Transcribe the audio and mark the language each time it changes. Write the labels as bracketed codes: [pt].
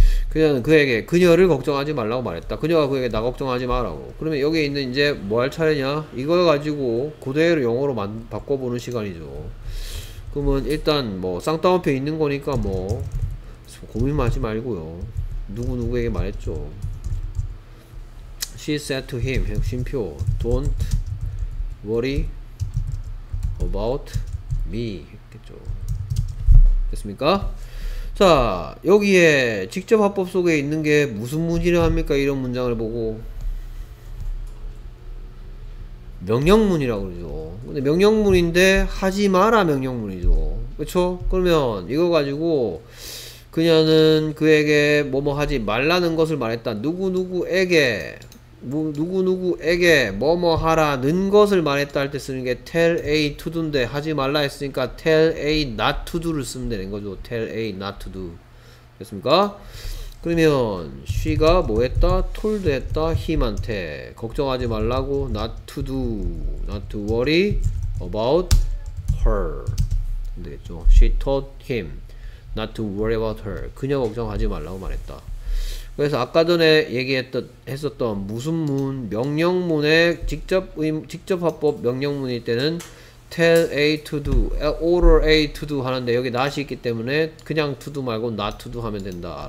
[ko] 그녀는 그에게 그녀를 걱정하지 말라고 말했다. 그녀가 그에게 나 걱정하지 마라고. 그러면 여기 있는 이제 뭐 할 차례냐? 이걸 가지고 그대로 영어로 바꿔보는 시간이죠. 그러면 일단 뭐 쌍따옴표에 있는 거니까 뭐 고민하지 말고요. 누구누구에게 말했죠. [en] She said to him, [ko] 쉼표, [en] Don't worry about me. [ko] 했겠죠. 됐습니까? 자, 여기에 직접 화법 속에 있는 게 무슨 문이라 합니까? 이런 문장을 보고. 명령문이라고 그러죠. 근데 명령문인데, 하지 마라 명령문이죠. 그쵸? 그러면 이거 가지고, 그녀는 그에게 뭐뭐 하지 말라는 것을 말했다. 누구누구에게 누구누구에게 뭐뭐 하라는 것을 말했다 할 때 쓰는 게 tell A to do인데 하지 말라 했으니까 tell A not to do를 쓰면 되는 거죠. tell A not to do. 됐습니까? 그러면 she가 뭐 했다? told 했다? him한테 걱정하지 말라고 [en] not to do not to worry about her [ko] 되겠죠. [en] she told him Not to worry about her. [ko] 그녀 걱정하지 말라고 말했다. 그래서 아까 전에 했었던 무슨 문, 명령문의 직접화법 명령문일 때는 tell A to do, order A to do 하는데 여기 not이 있기 때문에 그냥 to do 말고 not to do 하면 된다.